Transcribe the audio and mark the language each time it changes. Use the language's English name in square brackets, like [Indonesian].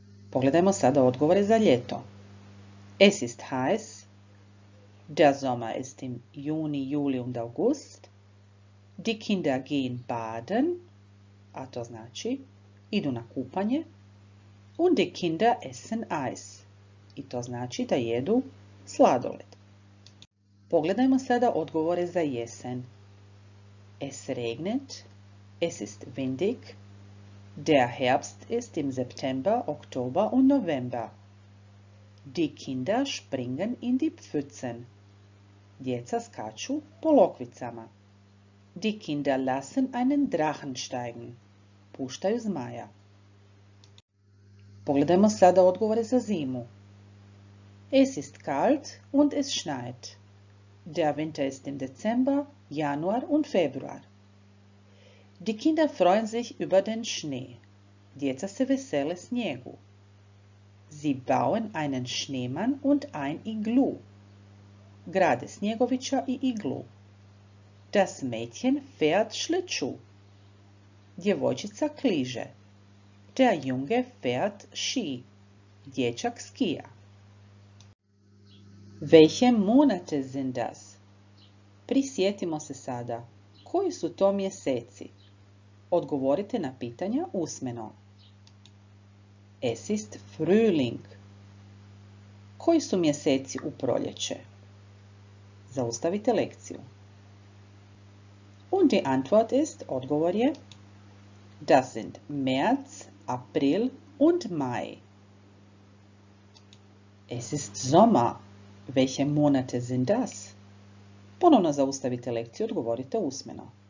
[Croatian] Pogledajmo sada odgovore za ljeto. [German] Es ist heiß. Der Sommer ist im Juni, Juli und August. Die Kinder gehen baden. [Croatian] A to znači, idu na kupanje. [German] Und die Kinder essen Eis. [Croatian] I to znači da jedu sladoled. Pogledajmo sada odgovore za jesen. [German] Es regnet, es ist windig, der Herbst ist im September, Oktober und November. Die Kinder springen in die Pfützen. [Croatian] Djeca skaču po lokvicama. [German] Die Kinder lassen einen Drachen steigen. [Croatian] Puštaju zmaja. Pogledajmo sada odgovore za zimu. [German] Es ist kalt und es schneit. Der Winter ist im Dezember, Januar und Februar. Die Kinder freuen sich über den Schnee. [Croatian] Djeca se vesele snijegu. [German] Sie bauen einen Schneemann und ein Iglu. [Croatian] Grade snjegovića i iglu. [German] Das Mädchen fährt Schlittschuh. [Croatian] Djevojčica kliže. [German] Der Junge fährt Ski. [Croatian] Dječak skija. [German] Welche Monate sind das? [Croatian] Prisjetimo se sada. Koji su to mjeseci? Odgovorite na pitanja usmeno. [German] Es ist Frühling. [Croatian] Koji su mjeseci u proljeće? Zaustavite lekciju. [German] Und die Antwort ist, [Croatian] odgovor je, [German] das sind März, April und Mai. Es ist Sommer. Welche Monate sind das? [Croatian] Ponovno zaustavite lekciju i odgovorite usmeno.